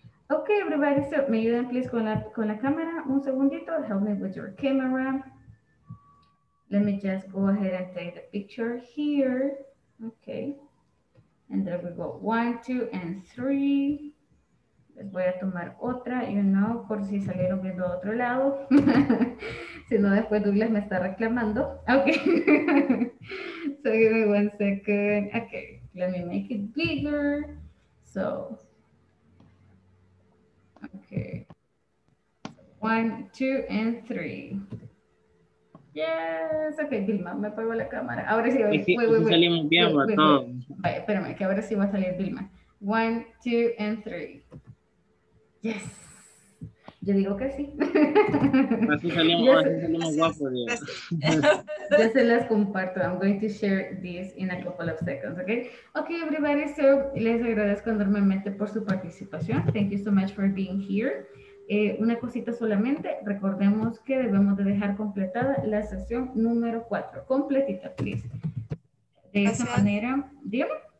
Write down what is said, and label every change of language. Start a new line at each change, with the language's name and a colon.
English: Okay, everybody, so
Spanish: me ayudan,
English: please,
Spanish: con la cámara. Un segundito,
English: help me with your camera. Let me just go ahead and take the picture here. Okay. And there we go. One, two, and three.
Spanish: Les voy a tomar otra,
English: you know,
Spanish: por si salieron viendo a otro lado. Si no, después Douglas me está reclamando. Okay.
English: So give me one second. Okay. Let me make it bigger. So. Okay. One, two, and three.
Spanish: Yes, okay, Vilma, me apagó la cámara. Ahora sí, salimos bien, perdón. Espérame, que ahora sí va a salir Vilma.
English: One, two, and three. Yes.
Spanish: Yo digo que sí. Así salimos guapos. Ya se las comparto.
English: I'm going to share this in a couple of seconds, okay? Okay, everybody, so
Spanish: les agradezco enormemente por su participación.
English: Thank you so much for being here.
Spanish: Una cosita solamente, recordemos que debemos de dejar completada la sesión número 4, completita,
English: please.
Spanish: De esa manera, ¿dígame?